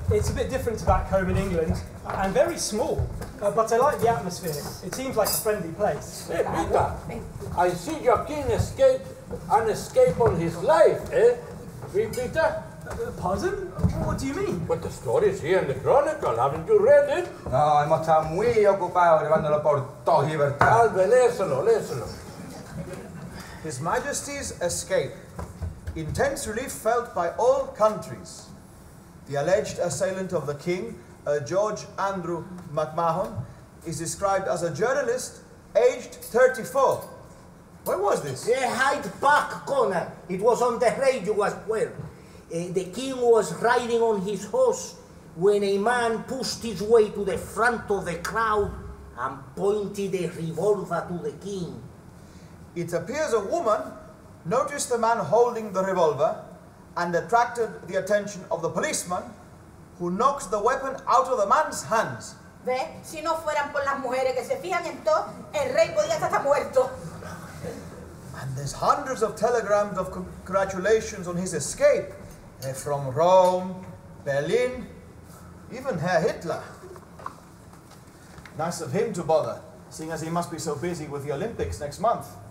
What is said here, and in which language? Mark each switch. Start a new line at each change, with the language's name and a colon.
English: It's a bit different to back home in England, and very small. But I like the atmosphere. It seems like a friendly place. Hey, Peter, I see your king escape an escape on his life, eh? Peter? Pardon? What do you mean? But the story's here in the chronicle, haven't you read it? No, I must have
Spanish: muy ocupado llevándolo por toda libertad. Alve, léselo, léselo.
English: His Majesty's escape. Intense relief felt by all countries. The alleged assailant of the king, George Andrew McMahon, is described as a journalist aged 34. When was this? Hide back, Connor. It was on the radio as well. The king was riding on his horse when a man pushed his way to the front of the crowd and pointed a revolver to the king. It appears a woman noticed the man holding the revolver and attracted the attention of the policeman, who knocks the weapon out of the man's hands.
Spanish: Ve, si no fueran por las mujeres que se fijan en todo, el rey podía estar muerto.
English: And there's hundreds of telegrams of congratulations on his escape. From Rome, Berlin, even Herr Hitler. Nice of him to bother, seeing as he must be so busy with the Olympics next month.